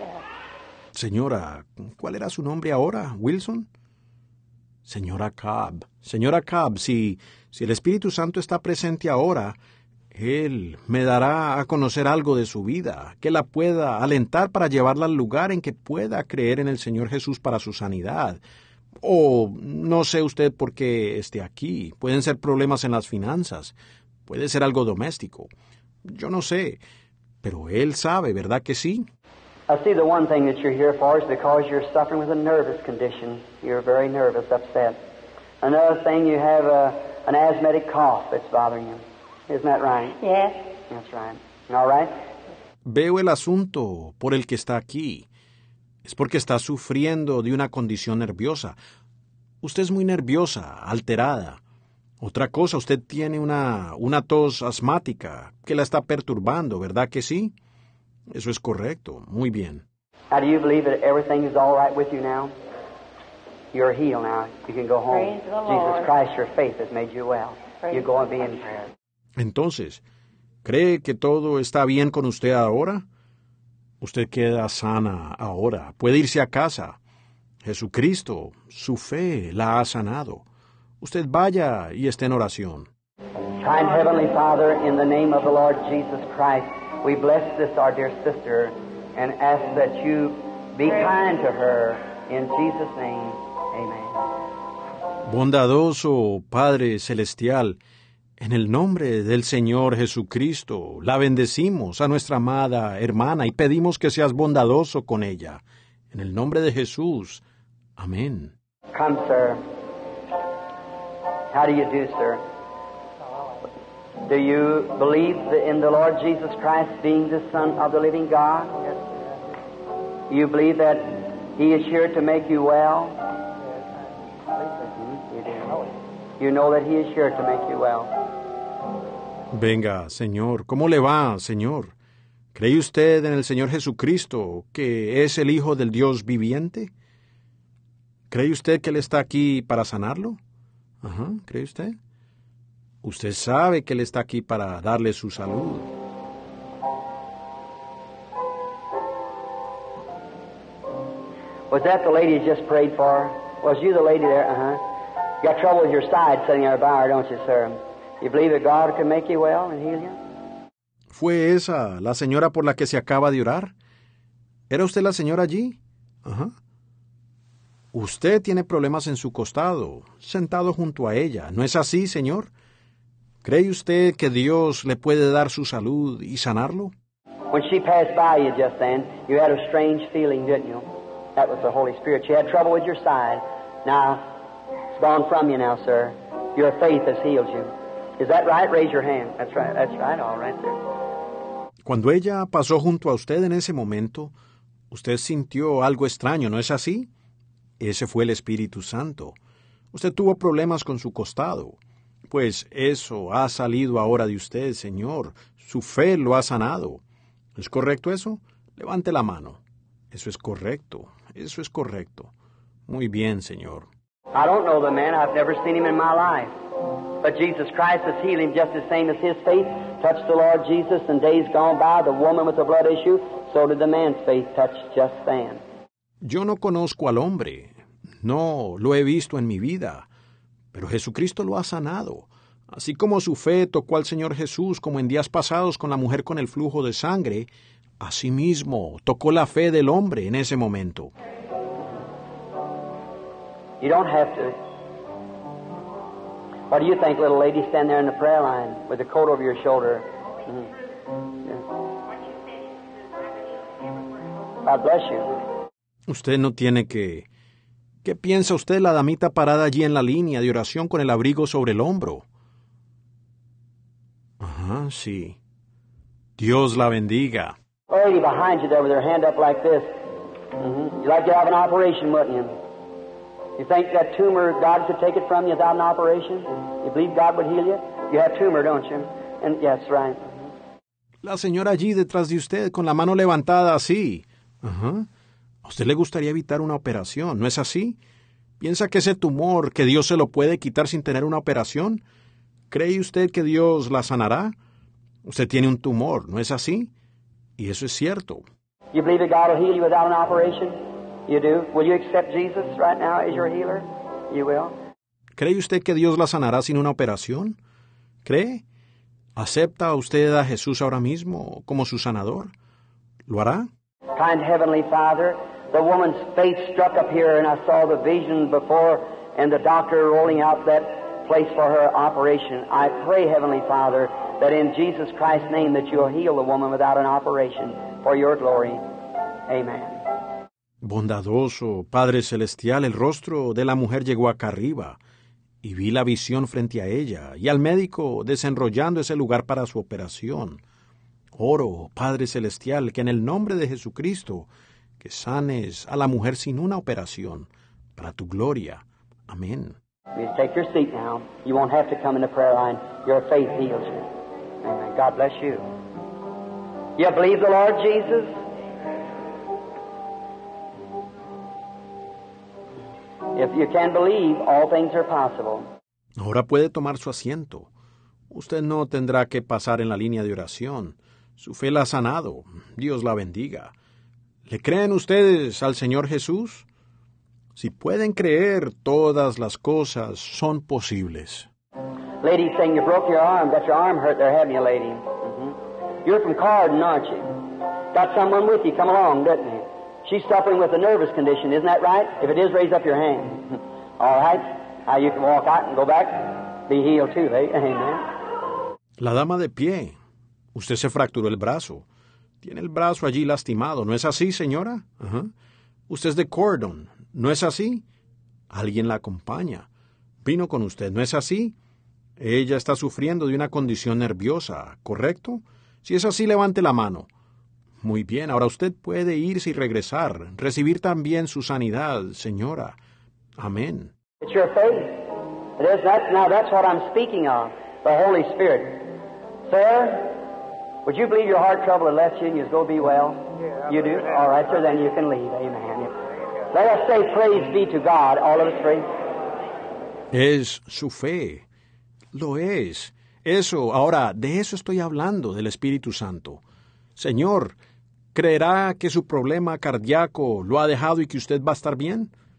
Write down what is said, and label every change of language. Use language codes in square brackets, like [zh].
[en] Yeah. [es] Señora, ¿cuál era su nombre ahora? ¿Wilson? Señora Cobb. Señora Cobb, si el Espíritu Santo está presente ahora, Él me dará a conocer algo de su vida, que la pueda alentar para llevarla al lugar en que pueda creer en el Señor Jesús para su sanidad. O no sé usted por qué esté aquí. Pueden ser problemas en las finanzas. Puede ser algo doméstico. Yo no sé, pero Él sabe, ¿verdad que sí? [en] I see the one thing that you're here for is because you're suffering with a nervous condition. You're very nervous, upset. Another thing, you have an asthmatic cough that's bothering you. Isn't that right? Yes. That's right. All right? [es] Veo el asunto por el que está aquí. Es porque está sufriendo de una condición nerviosa. Usted es muy nerviosa, alterada. Otra cosa, usted tiene una tos asmática que la está perturbando, ¿verdad que sí? Eso es correcto. Muy bien. [en] How do you believe that everything is all right with you now? You're healed now. You can go home. Praise the Lord. Jesus Christ, your faith has made you well. Praise you go and be in prayer. [es] Entonces, ¿cree que todo está bien con usted ahora? Usted queda sana ahora. Puede irse a casa. Jesucristo, su fe, la ha sanado. Usted vaya y esté en oración. [en] Kind Heavenly Father, in the name of the Lord Jesus Christ, we bless this, our dear sister, and ask that you be kind to her. In Jesus' name, amen. [es] Bondadoso Padre Celestial, en el nombre del Señor Jesucristo, la bendecimos a nuestra amada hermana y pedimos que seas bondadoso con ella. En el nombre de Jesús. Amén. [en] Come, sir. How do you do, sir? Do you believe in the Lord Jesus Christ being the Son of the living God? Yes. Do you believe that He is here to make you well? You know that He is here to make you well. [es] Venga, Señor. ¿Cómo le va, Señor? ¿Cree usted en el Señor Jesucristo, que es el Hijo del Dios viviente? ¿Cree usted que Él está aquí para sanarlo? Ajá, ¿cree usted? Usted sabe que Él está aquí para darle su salud. [en] Was that the lady you just prayed for? Was you the lady there? Uh-huh. You got trouble with your side sitting there by her, don't you, sir? You believe that God can make you well and heal you? [es] ¿Fue esa la señora por la que se acaba de orar? ¿Era usted la señora allí? Ajá. Usted tiene problemas en su costado, sentado junto a ella. ¿No es así, señor? ¿Cree usted que Dios le puede dar su salud y sanarlo? [en] When she passed by you just then, you had a strange feeling, didn't you? That was the Holy Spirit. She had trouble with your side. Now, it's gone from you now, sir. Your faith has healed you. Is that right? Raise your hand. That's right. All right, sir. [es] Cuando ella pasó junto a usted en ese momento, usted sintió algo extraño, ¿no es así? Ese fue el Espíritu Santo. Usted tuvo problemas con su costado. Pues eso ha salido ahora de usted, señor. Su fe lo ha sanado. ¿Es correcto eso? Levante la mano. Eso es correcto. Eso es correcto. Muy bien, señor. [en] I don't know the man. I've never seen him in my life. But Jesus Christ has healed him just the same as his faith touched the Lord Jesus in days gone by, the woman with the blood issue, so did the man's faith touch just then. [es] Yo no conozco al hombre. No lo he visto en mi vida. Pero Jesucristo lo ha sanado. Así como su fe tocó al Señor Jesús como en días pasados con la mujer con el flujo de sangre, así mismo tocó la fe del hombre en ese momento. [en] You don't have to. What do you think, little lady, stand there in the prayer line with a coat over your shoulder? God bless you. [es] Usted no tiene que... ¿Qué piensa usted, la damita parada allí en la línea de oración con el abrigo sobre el hombro? Ajá, sí. Dios la bendiga. [en] The lady behind you there with her hand up like this. You'd like to have an operation, wouldn't you? You think that tumor, God could take it from you without an operation? You believe God would heal you? You have tumor, don't you? And yes, right. [es] La señora allí detrás de usted con la mano levantada así. Ajá. ¿A usted le gustaría evitar una operación, no es así? ¿Piensa que ese tumor, que Dios se lo puede quitar sin tener una operación? ¿Cree usted que Dios la sanará? Usted tiene un tumor, ¿no es así? Y eso es cierto. [en] You believe that God will heal you without an operation? You do? Will you accept Jesus right now as your healer? You will. [es] ¿Cree usted que Dios la sanará sin una operación? ¿Cree? ¿Acepta usted a Jesús ahora mismo como su sanador? ¿Lo hará? [en] Kind Heavenly Father, the woman's faith struck up here and I saw the vision before and the doctor rolling out that place for her operation. I pray, Heavenly Father, that in Jesus Christ's name that you'll heal the woman without an operation for your glory. Amen. [es] Bondadoso Padre Celestial, el rostro de la mujer llegó acá arriba y vi la visión frente a ella y al médico desenrollando ese lugar para su operación. Oro, Padre Celestial, que en el nombre de Jesucristo, que sanes a la mujer sin una operación, para tu gloria. Amén. [en] Please take your seat now. You won't have to come in the prayer line. Your faith heals you. Amen. God bless you. You believe the Lord Jesus? If you can believe, all things are possible. [es] Ahora puede tomar su asiento. Usted no tendrá que pasar en la línea de oración. Su fe la ha sanado. Dios la bendiga. ¿Le creen ustedes al Señor Jesús? Si pueden creer, todas las cosas son posibles. [en] Lady, saying you broke your arm. Got your arm hurt there, haven't you, lady? You're from Carden, aren't you? Got someone with you. Come along, doesn't he? She's suffering with a nervous condition, isn't that right? If it is, raise up your hand. All right. Now you can walk out and go back. Be healed too, eh? Amen. [es] La dama de pie. Usted se fracturó el brazo. Tiene el brazo allí lastimado. ¿No es así, señora? Usted es de Cordon. ¿No es así? Alguien la acompaña. Vino con usted. ¿No es así? Ella está sufriendo de una condición nerviosa, ¿correcto? Si es así, levante la mano. Muy bien. Ahora usted puede irse y regresar. Recibir también su sanidad, señora. Amén. [en] It's your faith. It is that. Now that's what I'm speaking of. The Holy Spirit. Sir... Would you believe your heart trouble had left you and you'd go be well? Yeah, you do? Amen. All right, sir, then you can leave. Amen. Let us say praise be to God, all of us three. [es] Es su fe. Lo es. Eso, ahora, de eso estoy hablando, del Espíritu Santo. Señor, ¿creerá que su problema cardíaco lo ha dejado y que usted va a estar bien?